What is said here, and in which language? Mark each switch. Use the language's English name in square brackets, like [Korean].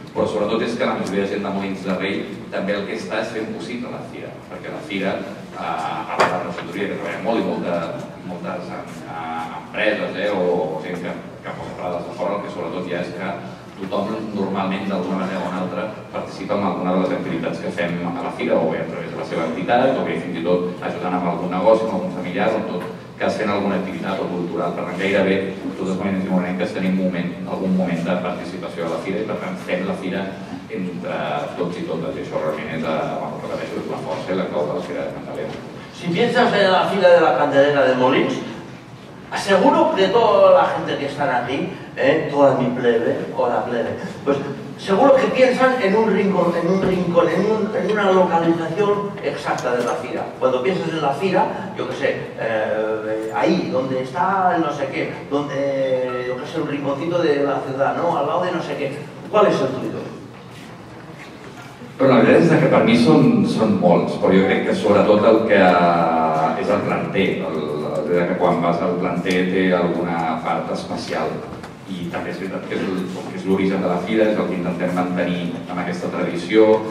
[Catalan] Però sobretot és que la majoria de gent de Molins de Rei també el que està és fent possible la fira, perquè la fira, a part de la consultoria, que treballa molt i moltes empreses o gent que posa parades de fora, el que sobretot ja és que tothom normalment d'alguna manera o una altra participa en alguna de les activitats que fem a la fira, o bé a través de la seva entitat, o bé fins i tot ajudant amb algun negoci, amb algun familiar, o en tot cas fent alguna activitat o cultural. Per tant, gairebé tots els moments i moments tenim algun moment de participació a la fira i per tant fem la fira entre tots i totes, i això realment és la força i la clau de la fira de Candelera. [Spanish] Si piensas en la fira de la Candelera de Molins, seguro que toda la gente que está aquí, toda mi plebe o la plebe, pues seguro que piensan en un rincón, en una localización exacta de la fira. Cuando piensas en la fira, yo qué sé, ahí, donde está no sé qué, donde, yo qué sé, un rinconcito de la ciudad, ¿no? Al lado de no sé qué. ¿Cuál es el tuyo? [Catalan] Però la veritat és que per mi són molts, però jo crec que sobretot el que és el planter, que quan vas al planter té alguna part especial. I també és veritat que és l'origen de la fira, és el que intentem mantenir amb aquesta tradició.